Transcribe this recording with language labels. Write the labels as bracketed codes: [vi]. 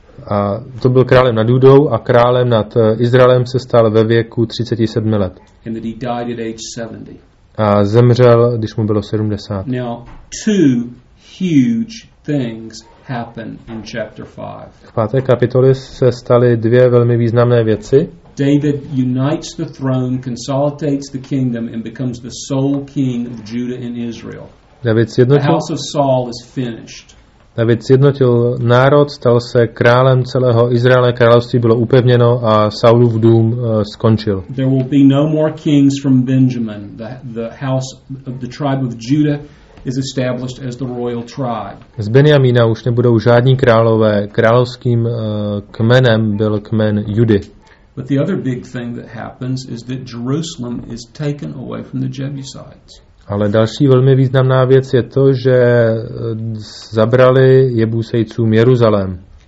[cs] A to byl králem nad Judou a králem nad Izraelem se stal ve věku 37 let. [en] And that he died at age 70. [cs] A zemřel, když mu bylo 70. [en] Now two huge things happen in chapter 5. [cs] V 5. kapitole se staly dvě velmi významné věci. [en] David unites the throne, consolidates the kingdom and becomes the sole king of Judah and Israel. [cs] David zjednotil, [en] the house of Saul is finished. [cs] David zjednotil národ, stal se králem celého Izraele, království bylo upevněno a Saulův dům skončil. [en] There will be no more kings from Benjamin. The house of the tribe of Judah is established as the royal tribe. [cs] Z Benjamína už nebudou žádní králové, královským kmenem byl kmen Judy. [en] But the other big thing that happens is that Jerusalem is taken away from the Jebusites. [cs] Ale další velmi významná věc je to, že zabrali Jebusejcům Jeruzalém.